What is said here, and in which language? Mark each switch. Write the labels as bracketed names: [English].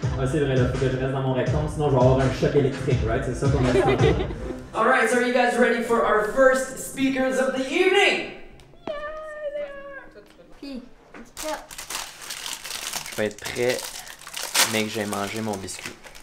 [French] C'est vrai, il faut que je reste dans mon rectum, sinon je vais avoir un choc électrique, right? C'est ça qu'on attend. [English] All right, so are you guys ready for our first speakers of the evening? Yeah, [French] je vais être prêt, mais que j'ai mangé mon biscuit.